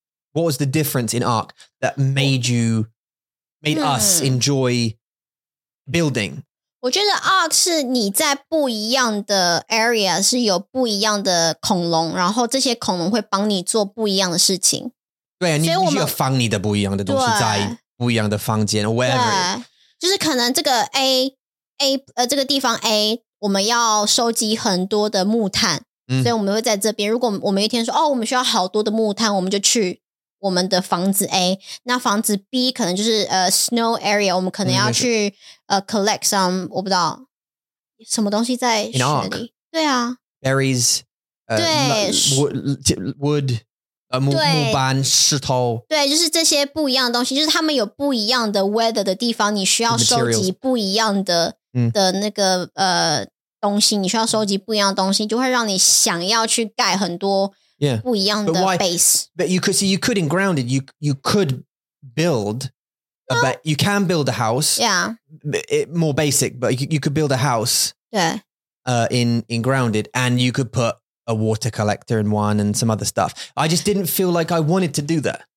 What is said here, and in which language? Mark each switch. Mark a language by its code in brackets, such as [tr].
[en] What was the difference in Ark that made us enjoy building？ [zh] 我觉得 Ark 是你在不一样的 area 是有不一样的恐龙，然后这些恐龙会帮你做不一样的事情。对啊，你需要放你的不一样的东西在不一样的房间 [en] or whatever. [zh] 就是可能这个 A 这个地方 A 我们要收集很多的木炭、嗯、所以我们会在这边，如果我们一天说哦我们需要好多的木炭，我们就去我们的房子 A， 那房子 B 可能就是 [en] snow area， [zh] 我们可能要去、嗯、 [en] collect some [zh] 我不知道什么东西在雪里、 Inok. 对啊 [en] berries [zh] 对 [en] wood [zh] 木板石头，对，就是这些不一样的东西，就是他们有不一样的 weather 的地方，你需要收集不一样的、嗯、的那个东西，你需要收集不一样的东西，就会让你想要去盖很多不一样的 base。 [en] Yeah. But you could see you could in grounded you could build a bit. You can build a house. Yeah. It, more basic, but you could build a house. [zh] 对。 [en] In grounded, and you could put. A water collector in one and some other stuff. I just didn't feel like I wanted to do that.